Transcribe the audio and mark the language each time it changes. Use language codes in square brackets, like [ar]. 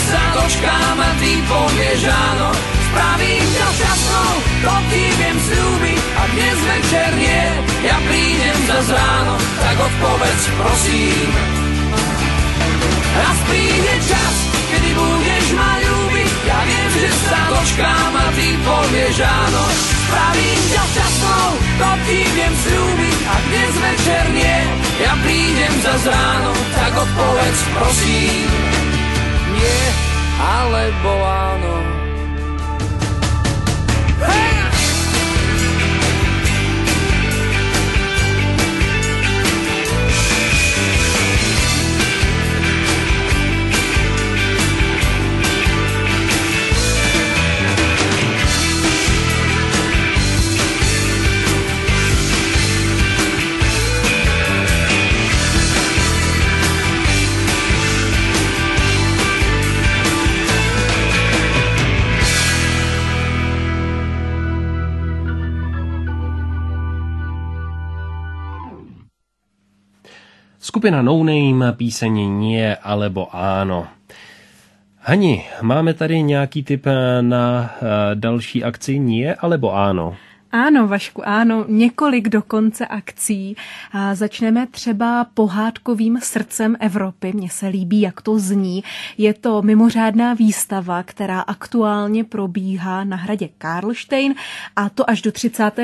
[sk] Dočkám a ty povieš áno. Spravím ťa šťastnou, to ti viem slúbiť, a dnes večer nie, ja prídem zas ráno. Tak odpovedz prosím. Raz príde čas, kedy budeš ma ľúbiť, ja viem, že sa dočkám a ty povieš áno. pravý čas časnou, papívěm slúbím. A dnes večer nie, ja prídem za ráno, tak odpovedz prosím. Nie, alebo áno. [cs] Skupina No Name, píseň Nie alebo Áno. Hani, máme tady nějaký tip na další akci Nie alebo Áno? Áno, Vašku, áno. Několik dokonce akcí. Začneme třeba pohádkovým srdcem Evropy. Mně se líbí, jak to zní. Je to mimořádná výstava, která aktuálně probíhá na hradě Karlštejn, a to až do 30.